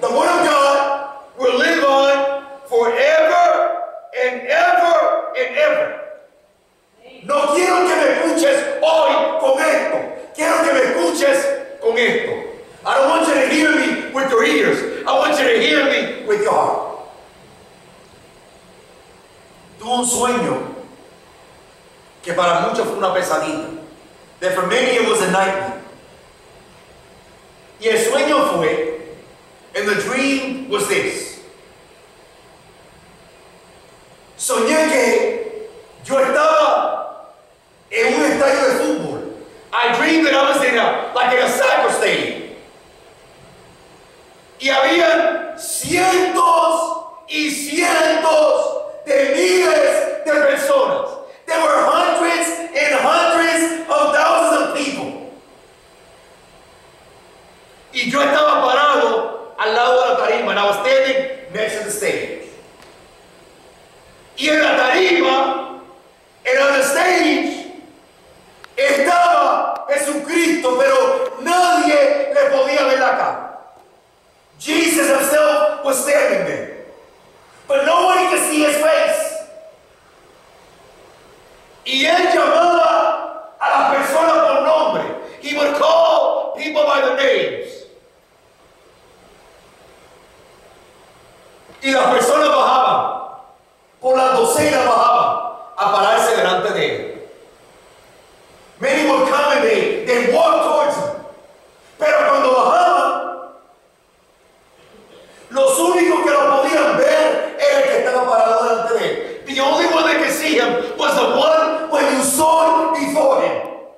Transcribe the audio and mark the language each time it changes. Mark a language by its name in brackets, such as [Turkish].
[English] The word of God will live on forever and ever and ever. [Spanish] No quiero que me escuches hoy con esto. Quiero que me escuches con esto. [English] I don't want you to hear me with your ears. I want you to hear me with your heart. [Spanish] Tuve un sueño que para muchos fue una pesadilla. [English] That for many it was a nightmare. [Spanish] Y el sueño fue, [English] and the dream was this. [Spanish] Soñé que yo estaba en un estadio de fútbol. [English] I dreamed that I was in a, like in a soccer stadium. [Spanish] Y habían cientos y cientos de miles de personas. [English] There were hundreds and hundreds of thousands of people. [Spanish] Y yo estaba parado al lado de la tarima. [English] And I was standing next to the stage. [Spanish] Y en la tarima, [English] and on the stage, [Spanish] estaba Jesucristo, pero nadie le podía ver la cara. [English] Jesus himself was standing there. But nobody could see his face. [Spanish] Y él llamaba a las personas por nombre. [English] He would call people by their names. [Spanish] Y las personas bajaban. Por la docena bajaban a pararse delante de él. [English] Many would come and they walk towards him. [Spanish] Pero cuando bajaban, los únicos que lo podían ver era el que estaba parado delante de él. [English] The only one that could see him was the one when you saw before him.